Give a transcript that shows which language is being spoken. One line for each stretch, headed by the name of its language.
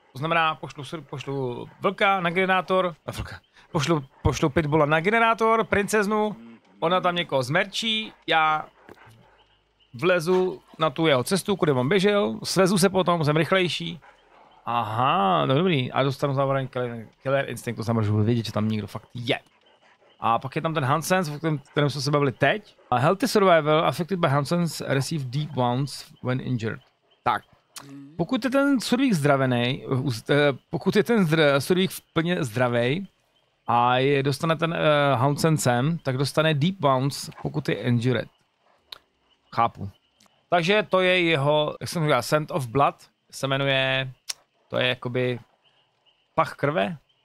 Czech: To znamená, pošlu vlka na generátor, pošlu pitbola na generátor, princeznu, ona tam někoho zmerčí, já vlezu na tu jeho cestu, kde on běžel, svezu se potom, jsem rychlejší. Aha, no dobrý, a dostanu zároveň killer instinct, to znamená, že budu vědět, že tam někdo fakt je. A pak je tam ten Hansens, o kterém jsme se bavili teď.
English: A healthy survival affected by Hansens receive deep wounds when injured.
Czech: Tak, pokud je ten survík zdravený, pokud je ten survík plně zdravý a dostane ten Hansensem, tak dostane deep wounds, pokud je injured. Chápu. Takže to je jeho, jak jsem říkal, scent of blood se jmenuje, to je jakoby pach krve.